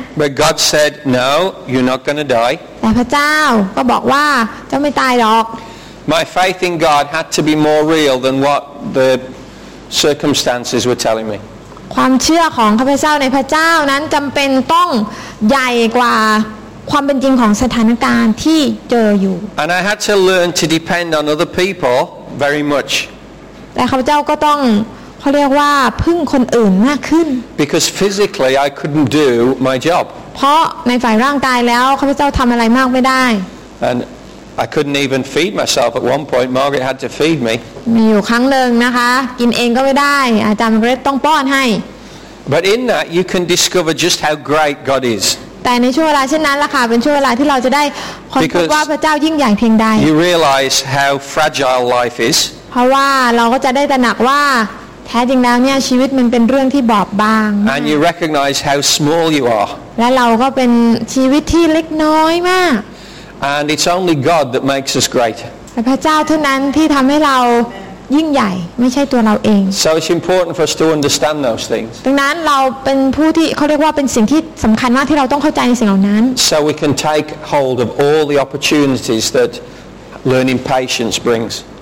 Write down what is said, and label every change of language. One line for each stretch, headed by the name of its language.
English: But God said no you're not going to die
Thai: แต่พระเจ้าก็บอกว่าเจ้าไม่ตายหรอก
English: My faith in God had to be more real than what the circumstances were telling me
Thai: ความเชื่อของข้าพเจ้าในพระเจ้านั้นจำเป็นต้องใหญ่กว่าความเป็นจริงของสถานการณ์ที่เจออยู่
English: And I had to learn to depend on other people very much
Thai: แต่ข้าพเจ้าก็ต้องเขาเรียกว่าพึ่งคนอื่นมากขึ้น
English: Because physically I couldn't do my job
Thai: เพราะในฝ่ายร่างกายแล้วข้าพเจ้าทำอะไรมากไม่ได้
English: And I couldn't even feed myself at one point Margaret had to feed me
Thai: มีอยู่ครั้งหนึ่งนะคะกินเองก็ไม่ได้อาจารย์เกรทต้องป้อนให้
English: But in that you can discover just how great God is
Thai: แต่ในช่วงเวลาเช่นนั้นล่ะค่ะเป็นช่วงเวลาที่เราจะได้ค้นพบว่าพระเจ้ายิ่งใหญ่เพียงใด
English: You realize how fragile life is
Thai: เพราะว่าเราก็จะได้ตระหนักว่าแท้จริงแล้วเนี่ยชีวิตมันเป็นเรื่องที่บอบบาง
English: And you recognize how small you are
Thai: และเราก็เป็นชีวิตที่เล็กน้อยมาก
English: And it's only God that makes us great
Thai: แต่พระเจ้าเท่านั้นที่ทำให้เรายิ่งใหญ่ไม่ใช่ตัวเราเอง
English: So it's important for us to understand those things
Thai: ดังนั้นเราเป็นผู้ที่เขาเรียกว่าเป็นสิ่งที่สำคัญมากที่เราต้องเข้าใจในสิ่งเหล่านั้น
English: So we can take hold of all the opportunities that learning patience brings